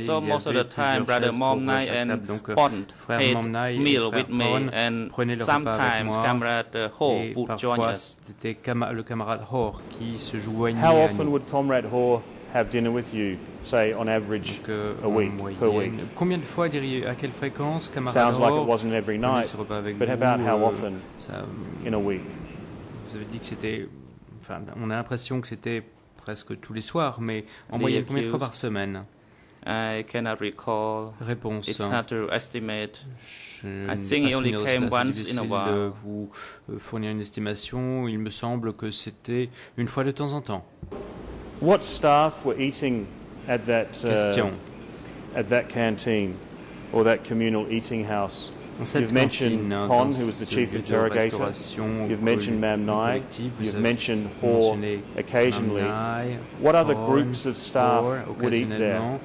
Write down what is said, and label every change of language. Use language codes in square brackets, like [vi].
[en] So most of the time, Brother Mom Nai and Pond had meal with me, and sometimes Comrade Ho would join us. [fr] Le camarade Ho qui se joignait [en] How often would Comrade Ho have dinner with you, say, on average, a week, per week? [fr] Combien de fois diriez, à quelle fréquence, camarade [en] Sounds like it wasn't every night, but about how often in a week? [fr] Vous avez dit que c'était, enfin, on a l'impression que c'était presque tous les soirs, mais en moyenne combien de fois par semaine? [en] I cannot recall. [fr] Réponse. [en] It's hard to estimate. I think it only came once in a while. [fr] De vous fournir une estimation, il me semble que c'était une fois de temps en temps. [en] What staff were eating at that question? At that canteen or that communal eating house? You've mentioned [fr] cantine, [en] Pon, who was the chief interrogator. You've mentioned Mam Nai. You've mentioned Ho occasionally. Nai, what other groups of staff would eat there?